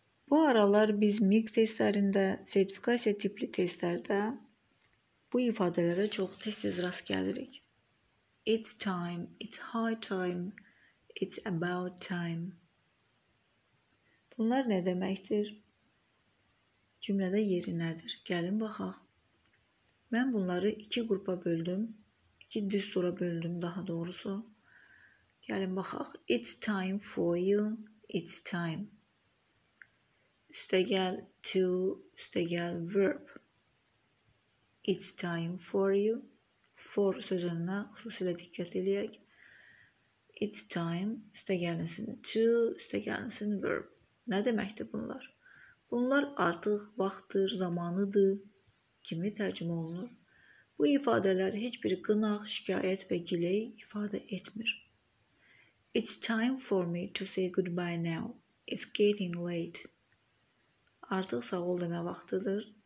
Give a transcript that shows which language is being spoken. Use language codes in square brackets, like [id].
[az] Bu aralar biz MİQ testlərində, sertifikasiya tipli testlərdə bu ifadələrə çox tez-tez rast gəlirik. [en] It's time, it's high time, it's about time. [az] Bunlar nə deməkdir? Cümlədə yeri nədir? Gəlin baxaq. Mən bunları iki qrupa böldüm, iki düstura böldüm daha doğrusu. Gəlin baxaq. [en] It's time for you. It's time. [az] Üstəgəl to, üstəgəl verb. [en] It's time for you. [az] For sözünə xüsusilə diqqət edək. [en] It's time, [az] üstəgəlsin to, üstəgəlsin verb. Nə deməkdir bunlar? Bunlar artıq vaxtdır, zamanıdır kimi tərcümə olunur. Bu ifadələr heç bir qınaq, şikayət və giley ifadə etmir. [en] It's time for me to say goodbye now. It's getting late. [az] Artıq sağ ol demə vaxtıdır.